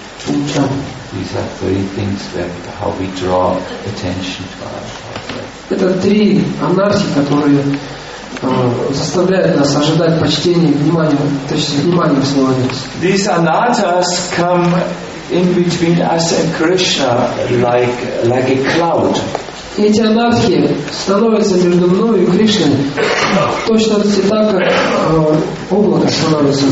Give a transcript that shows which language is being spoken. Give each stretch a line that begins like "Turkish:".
English: These are three things that how we draw attention to ourselves.
Russian: Это три анархии, которые заставляют нас ожидать почтения, внимания, точнее, внимания к своему.
English: These anattas come in between us and Krishna like a cloud.
Russian: Эти анархи становятся между мной и Кришной точно так, как облако становится